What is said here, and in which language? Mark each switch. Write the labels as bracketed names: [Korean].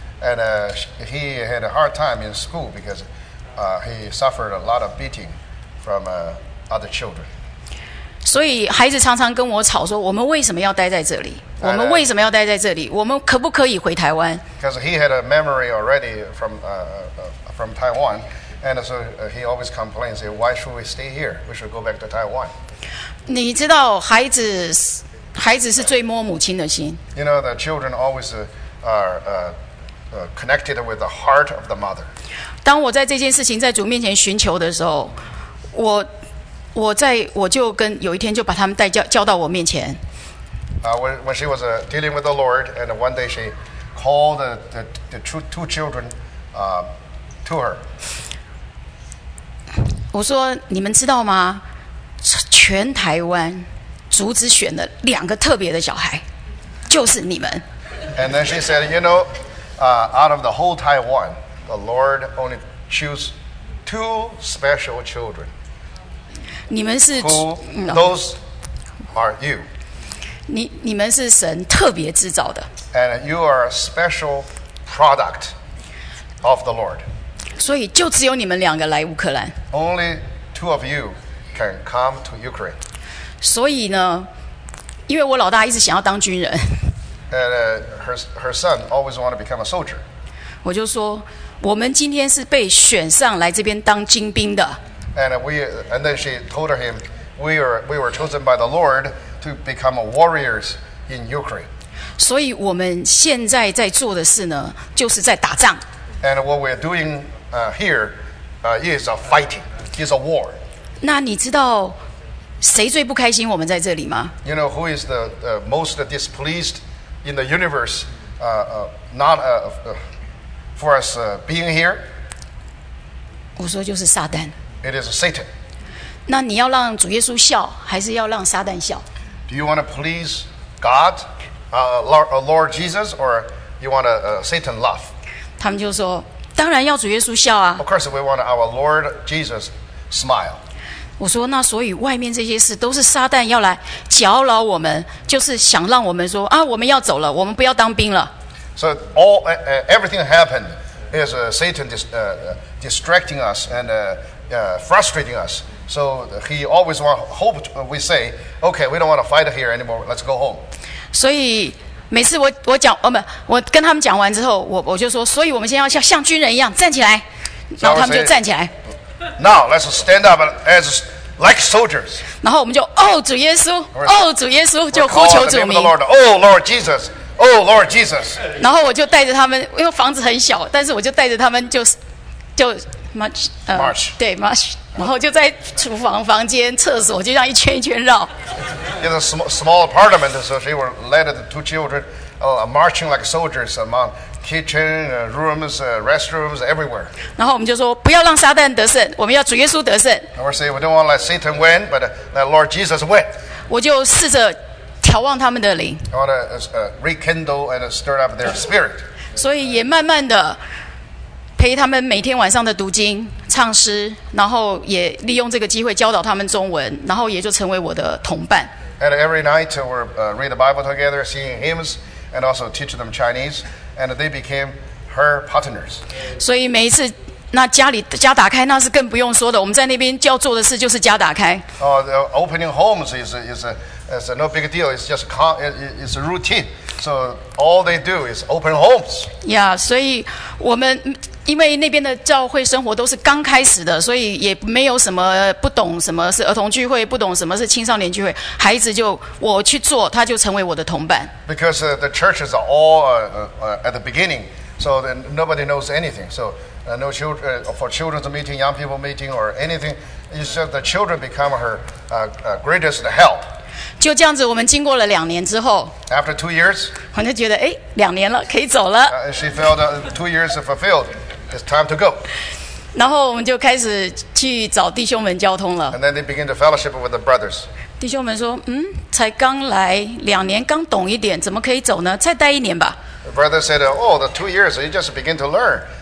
[English] And he had a hard time in school because he suffered a lot of beating from other children. [Chinese] 所以孩子常常跟我吵说，我们为什么要待在这里？我们为什么要待在这里？我们可不可以回台湾？ [English] Because he had a memory already from Taiwan, and so he always complains, why should we stay here? We should go back to Taiwan. [Chinese] 你知道孩子是最摸母亲的心。 [English] You know, the children always are connected with the heart of the mother. [Chinese] 当我在这件事情在主面前寻求的时候，我就跟有一天就把他们带叫到我面前。 [English] When she was dealing with the Lord, and one day she called the two children to her. [Chinese] 我说你们知道吗？全台湾主只选了两个特别的小孩，就是你们。 [English] And then she said, you know. Out of the whole Taiwan, the Lord only choose two special children. [Chinese] 你们是 [English] those are you. [Chinese] 你们是神特别制造的。 [English] And you are a special product of the Lord. [Chinese] 所以就只有你们两个来乌克兰。 [English] Only two of you can come to Ukraine. [Chinese] 所以呢，因为我老大一直想要当军人。 [English] And her son always wanted to become a soldier. [Chinese] 我就说，我们今天是被选上来这边当精兵的。 [English] And then she told him, we were chosen by the Lord to become warriors in Ukraine. [Chinese] 所以我们现在在做的事呢，就是在打仗。 [English] And what we're doing here is a fighting, is a war. [Chinese] 那你知道谁最不开心我们在这里吗？ [English] You know who is the most displeased? In the universe, for us being here. [Chinese] 我说就是撒旦。 [English] It is Satan. [Chinese] 那你要让主耶稣笑，还是要让撒旦笑 [English] ？Do you want to please God, Lord Jesus, or you want to Satan laugh? [Chinese] 他们就说，当然要主耶稣笑啊。 [English] Of course, we want our Lord Jesus smile. [Chinese] 我说那所以外面这些事都是撒旦要来搅扰我们，就是想让我们说啊，我们要走了，我们不要当兵了。 [English] So all everything happened is Satan distracting us and frustrating us. So he always want hope. We say, okay, we don't want to fight here anymore. Let's go home. [Chinese] 所以每次我跟他们讲完之后，我就说，所以我们现在要像军人一样站起来，然后他们就站起来。 [English] Now let's stand up as like soldiers. [Chinese] 然后我们就哦，主耶稣，哦，主耶稣，就呼求主名。 [English] Oh Lord Jesus, oh Lord Jesus. [Chinese] 然后我就带着他们，因为房子很小，但是我就带着他们就 march, [English] march. [Chinese] 对 march. 然后就在厨房、房间、厕所，就这样一圈一圈绕。 [English] In a small apartment, so she were led the two children, marching like soldiers among. Kitchen, rooms, restrooms, everywhere. [Chinese] 然后我们就说，不要让撒旦得胜，我们要主耶稣得胜。 [English] And we say we don't want to let Satan win, but let Lord Jesus win. [Chinese] 我就试着眺望他们的灵。 [English] I want to rekindle and stir up their spirit. [Chinese] 所以也慢慢的陪他们每天晚上的读经、唱诗，然后也利用这个机会教导他们中文，然后也就成为我的同伴。 [English] And every night we read the Bible together, singing hymns, and also teach them Chinese. And they became her partners. [Chinese] 所以每一次，那家里家打开，那是更不用说的。我们在那边要做的事就是家打开。 [English] Opening homes is a no big deal. It's just a routine. So all they do is open homes. [Chinese] Yeah, 所以我们因为那边的教会生活都是刚开始的，所以也没有什么不懂什么是儿童聚会，不懂什么是青少年聚会。孩子就我去做，他就成为我的同伴。 [English] Because the churches are all at the beginning, so then nobody knows anything. So no children for children's meeting, young people meeting, or anything. It's just the children become her greatest help. [Chinese] 就这样子，我们经过了两年之后 [English] ，After two years， [Chinese] 我就觉得哎，两年了，可以走了。 [English] She felt two years fulfilled. It's time to go. [Chinese] 然后我们就开始去找弟兄们交通了。 [English] And then they begin to fellowship with the brothers. [Chinese] 弟兄们说，才刚来两年，刚懂一点，怎么可以走呢？再待一年吧。 [English] The brother said, "Oh, the 2 years, you just begin to learn.